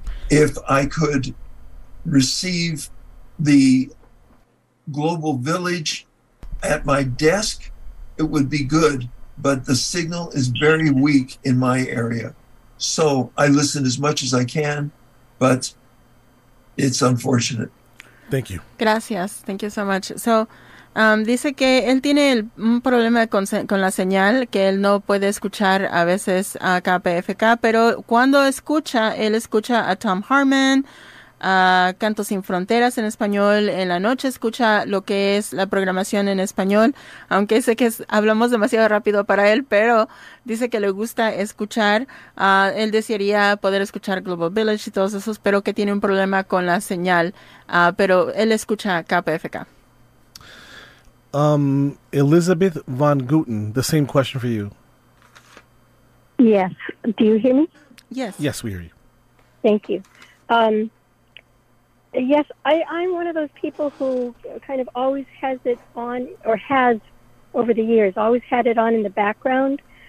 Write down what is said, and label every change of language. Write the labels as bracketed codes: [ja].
[en] If I could receive the Global Village at my desk, it would be good, but the signal is very weak in my area. So I listen as much as I can, but it's unfortunate. Thank you. [es] Gracias. [en] Thank you so much. [es] Dice que él tiene un problema con la señal, que él no puede escuchar a veces a KPFK, pero cuando escucha, él escucha a Tom Hartman, a Canto Sin Fronteras en español, en la noche escucha lo que es la programación en español, aunque sé que hablamos demasiado rápido para él, pero dice que le gusta escuchar, él desearía poder escuchar Global Village y todos esos, pero que tiene un problema con la señal, pero él escucha KPFK. [en] Elizabeth Von Guten, the same question for you. Yes, do you hear me? Yes. Yes, we hear you. Thank you. Yes, I'm one of those people who kind of always has it on, or has over the years, always had it on in the background.